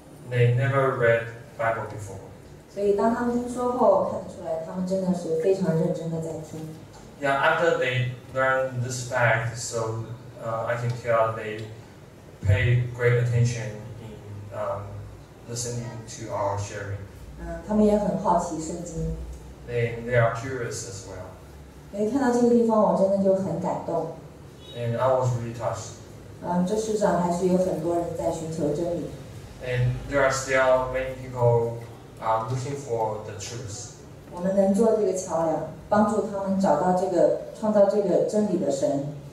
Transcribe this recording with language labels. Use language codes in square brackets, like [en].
[en] They never read Bible before. [zh] 所以当他们听说后，看得出来他们真的是非常认真的在听。 [en] Yeah, after they learn this fact, so I can tell they. Pay great attention in listening to our sharing. [zh] 他们也很好奇圣经。 [en] They are curious as well. [zh] 因为看到这个地方，我真的就很感动。 [en] And I was really touched. [zh] 这世上还是有很多人在寻求真理。 [en] And there are still many people looking for the truth. [zh] 我们能做这个桥梁，帮助他们找到这个创造这个真理的神。